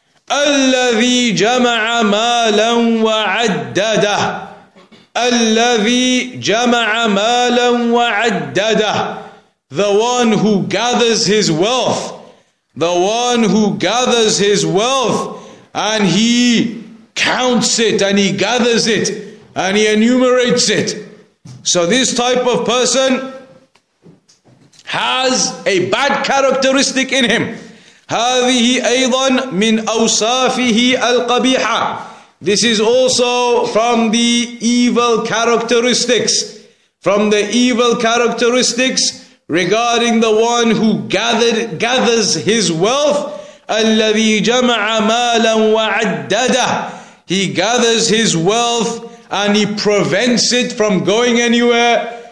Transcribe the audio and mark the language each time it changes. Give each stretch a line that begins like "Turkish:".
Arabic: الَّذِي جَمَعَ مَالًا وَعَدَّدَهُ,
English: الَّذِي جَمَعَ مَالًا وَعَدَّدَهُ, the one who gathers his wealth, the one who gathers his wealth and he counts it and he gathers it and he enumerates it. So this type of person has a bad characteristic in him.
Arabic: هذه أيضا من أوصافه القبيحة.
English: This is also from the evil characteristics. From the evil characteristics regarding the one who gathers his wealth.
Arabic: الذي جمع مالا وعدده.
English: He gathers his wealth and he prevents it from going anywhere.